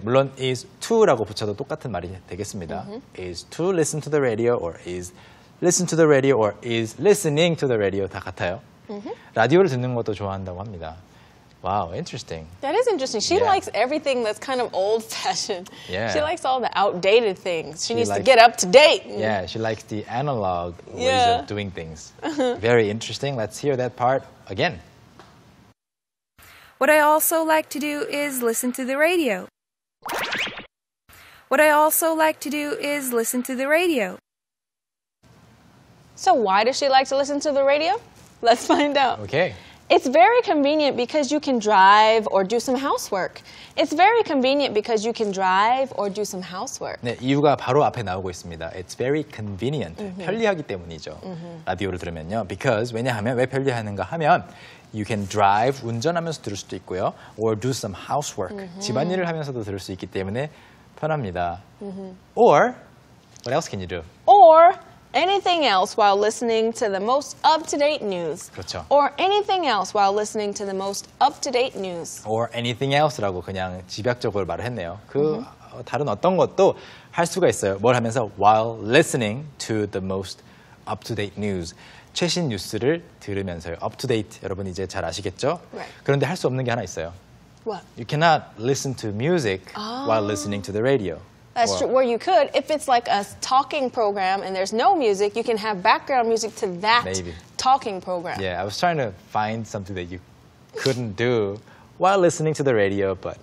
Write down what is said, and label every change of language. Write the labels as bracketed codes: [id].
[ko] 물론 [en] is to [ko] 라고 붙여도 똑같은 말이 되겠습니다. Mm-hmm. [en] Is to listen to the radio or is listen to the radio or is listening to the radio [ko] 다 같아요. Mm-hmm. 라디오를 듣는 것도 좋아한다고 합니다. [en] Wow, interesting. That is interesting. She likes everything that's kind of old-fashioned. Yeah. She likes all the outdated things. She needs to get up to date. Yeah, she likes the analog ways of doing things. Very interesting. Let's hear that part again. What I also like to do is listen to the radio. What I also like to do is listen to the radio. So why does she like to listen to the radio? Let's find out. Okay. It's very convenient because you can drive or do some housework. It's very convenient because you can drive or do some housework. [ko] 네, 이유가 바로 앞에 나오고 있습니다. [en] It's very convenient. [ko] Mm-hmm. 편리하기 때문이죠. Mm-hmm. 라디오를 들으면요. [en] Because, [ko] 왜냐하면, 왜 편리하는가 하면, [en] you can drive, [ko] 운전하면서 들을 수도 있고요. [en] Or do some housework. Mm-hmm. [ko] 집안일을 하면서도 들을 수 있기 때문에 편합니다. [en] Mm-hmm. Or, what else can you do? Or, anything else while listening to the most up-to-date news. [ko] 그렇죠. [en] Or anything else while listening to the most up-to-date news. Or anything else [ko] 라고 그냥 집약적으로 말을 했네요. 그 다른 어떤 것도 할 수가 있어요. 뭘 하면서 [en] while listening to the most up-to-date news. [ko] 최신 뉴스를 들으면서요. Up-to-date, 여러분 이제 잘 아시겠죠? [en] Right. [ko] 그런데 할 수 없는 게 하나 있어요. [en] What? You cannot listen to music while listening to the radio. That's true. Well, you could. If it's like a talking program and there's no music, you can have background music to that talking program. Yeah, I was trying to find something that you couldn't do while listening to the radio, but...